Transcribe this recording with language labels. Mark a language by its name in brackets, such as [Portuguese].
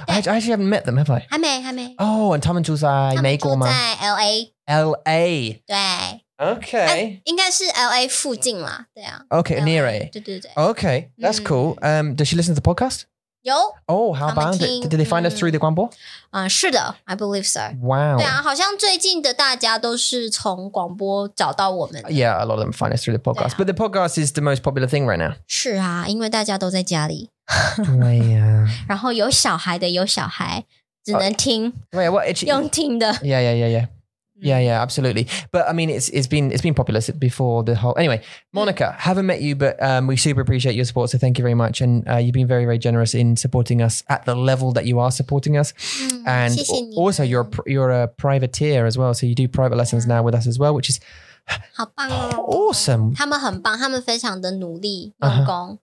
[English] I actually haven't met them, have I? [Chinese] 还没. [English] Oh, and [Chinese] 他们住在美国吗? 他们住在LA. [English] LA. [Chinese] 对. [English] Okay. [Chinese] 应该是LA附近啦, 对啊。 [English] Okay, LA. Near A. [Chinese] 对对对。 [English] Okay, that's cool. Does she listen to the podcast? [Chinese] 有。 [English] Oh, how about it? Did they find us through the 广播？ [Chinese] 是的， [English] I believe so. Wow. [Chinese] 对啊，好像最近的大家都是从广播找到我们。 [English] Yeah, a lot of them find us through the podcast. But the podcast is the most popular thing right now. [Chinese] 是啊，因为大家都在家里。对呀。然后有小孩的，有小孩，只能听。 [English] Wait, what? [Chinese] 用听的。 [English] Yeah, yeah, yeah, yeah. Yeah, yeah, absolutely. But I mean, it's been popular before the whole... Anyway, Monica, haven't met you, but we super appreciate your support. So thank you very much. And you've been very, very generous in supporting us at the level that you are supporting us. And also you're a privateer as well. So you do private lessons now with us as well, which is... [Chinese] 好棒哦 [English] Awesome [Chinese] 他们很棒他们非常的努力用功、